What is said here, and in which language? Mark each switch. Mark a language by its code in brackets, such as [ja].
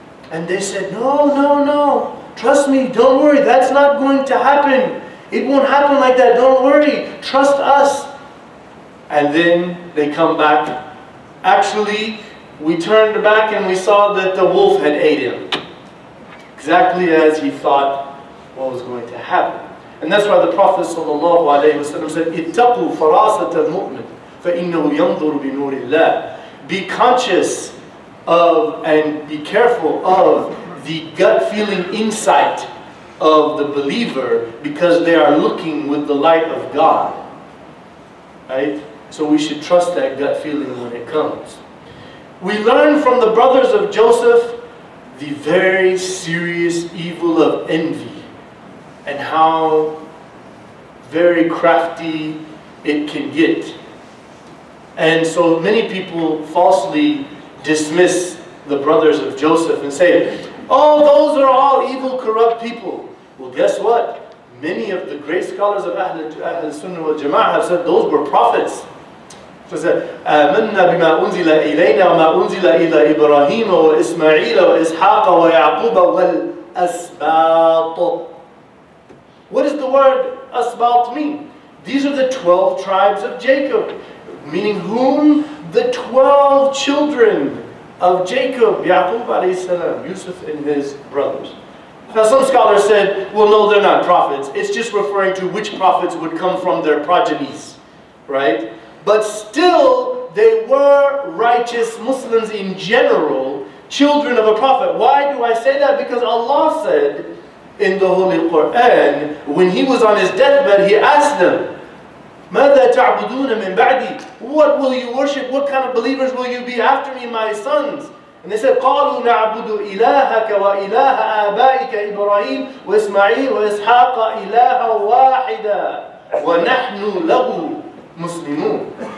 [en] And they said, no, trust me, don't worry, that's not going to happen. It won't happen like that, don't worry, trust us. And then they come back. Actually, we turned back and we saw that the wolf had ate him. Exactly as he thought what was going to happen. And that's why the Prophet ﷺ said, [ar] اتقوا فراسة المؤمن فإنه ينظر بنور الله. [en] Be conscious of and be careful of the gut feeling insight of the believer because they are looking with the light of God. Right? So we should trust that gut feeling when it comes. We learn from the brothers of Joseph the very serious evil of envy and how very crafty it can get. And so many people falsely dismiss the brothers of Joseph and say, oh, those are all evil, corrupt people. Well, guess what? Many of the great scholars of Ahl Sunnah wal Jama'ah have said those were prophets. So said, [ar] آمنا بما أنزل إلينا وما أنزل إلى إبراهيم وإسماعيل وإسحاق ويعقوب والأسباط. [en] What does the word Asbaut mean? These are the 12 tribes of Jacob. Meaning whom? The 12 children of Jacob, Yaqub alayhi salam, Yusuf and his brothers. Now some scholars said, well no, they're not prophets. It's just referring to which prophets would come from their progenies, right? But still, they were righteous Muslims in general, children of a prophet. Why do I say that? Because Allah said in the Holy Quran, when he was on his deathbed, he asked them, [ar] ماذا تعبدون من بعدي? [en] What will you worship? What kind of believers will you be after me, my sons? And they said, [ar] قالوا نعبد إلهك وإله آبائك إبراهيم وإسماعيل وإسحاق إله واحدة ونحن له مسلمون.